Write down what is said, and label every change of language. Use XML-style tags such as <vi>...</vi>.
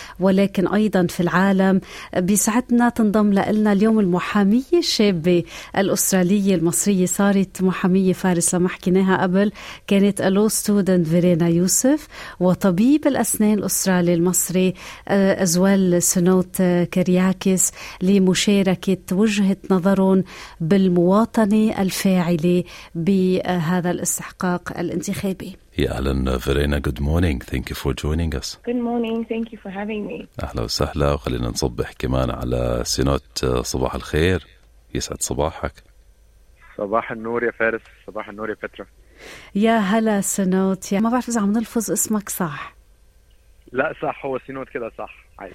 <ar>ولكن أيضا في العالم؟ بيسعدنا تنضم لنا اليوم المحامية الشابة الأسترالية المصرية، صارت محامية فارس لما حكيناها قبل، كانت ألو ستودنت فيرينا يوسف، وطبيب الأسنان الأسترالي المصري أزوال سنوت كرياكس، لمشاركة وجهة نظرهم بالمواطنة الفاعلة بهذا الاستحقاق الانتخابي. يا أهلا فيرينا،</ar> <en>good morning, thank you for joining us. Good morning, thank you for having me.</en> <ar>أهلا وسهلا، وخلينا نصبح كمان على سنوت، صباح الخير، يسعد صباحك. صباح النور يا فارس، صباح النور يا بترا. يا هلا سنوت، يا ما بعرف إذا عم نلفظ اسمك صح. لا صح، هو سنوت كده صح. عايز.</ar>